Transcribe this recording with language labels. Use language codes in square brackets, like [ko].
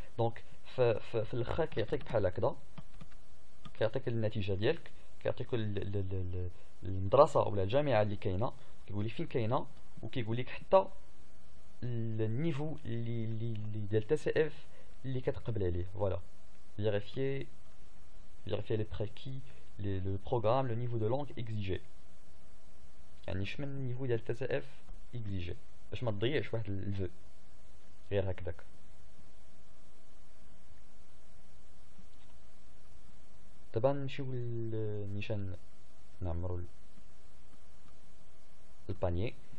[ar] دونك في الاخر كيعطيك بحال هكذا، كيعطيك النتيجه ديالك، كيعطيك المدرسه ولا الجامعه اللي كاينه، كيقول لك فين كاينه، وكيقول لك حتى النيفو اللي ديال التسعف اللي كتقبل عليه. [fr] فوالا فيغيفيي vérifier les prérequis, le programme, le niveau de langue exigé. [ar] يعني شمن النيفو ديال تي سي اف اكزيجي باش ما تضيعش واحد الفو غير هكذاك. دابا نمشيو للنيشان نعمرو الباني.